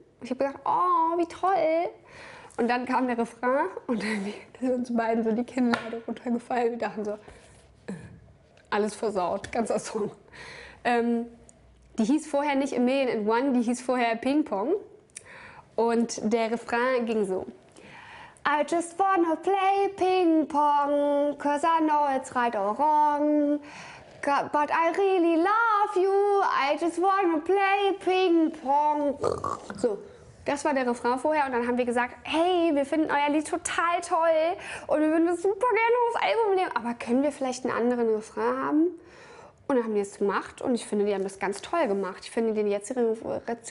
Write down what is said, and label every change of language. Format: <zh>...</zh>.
<de>Ich habe gedacht, oh, wie toll. Und dann kam der Refrain und dann sind uns beiden so die Kinnlade runtergefallen. Wir dachten so, alles versaut, ganzer Song. Die hieß vorher nicht A Million and One, die hieß vorher Ping Pong und der Refrain ging so.</de> <en>I just wanna play ping pong, cause I know it's right or wrong. But I really love you, I just wanna play ping pong.</en> <de>So, das war der Refrain vorher und dann haben wir gesagt, hey, wir finden euer Lied total toll und wir würden das super gerne aufs Album nehmen, aber können wir vielleicht einen anderen Refrain haben? Und dann haben die es gemacht und ich finde, die haben das ganz toll gemacht. Ich finde den jetzigen Refrain.</de>